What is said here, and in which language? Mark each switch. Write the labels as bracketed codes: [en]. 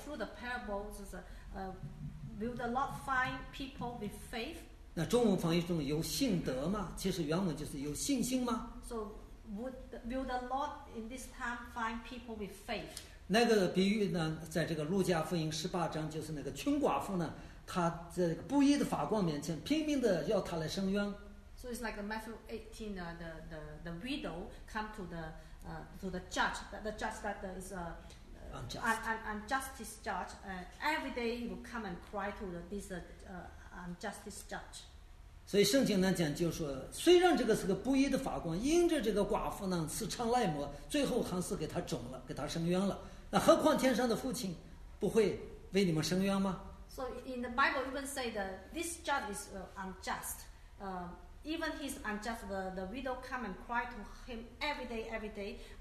[en] through the parable 就是will the Lord find people with faith? [zh] 那中文翻译中有信德吗？其实原文就是有信心吗 [en] ？So will the Lord in this time find people with faith? [zh] 那个比喻呢，在这个路加福音十八章，就是那个穷寡妇呢，她在这个布衣的法官面前拼命的要他来伸冤。 [en] So it's like Matthew 18, the widow come to the judge. The judge that is unjustice judge. Every day he will come and cry to this unjustice judge. [zh] 所以圣经呢讲就说，虽然这个是个不义的法官，因着这个寡妇呢私藏赖磨，最后还是给他肿了，给他伸冤了。那何况天上的父亲不会为你们伸冤吗 [en] ？So in the Bible even say that this judge is unjust. Even he's unjust, the widow come and cry to him every day.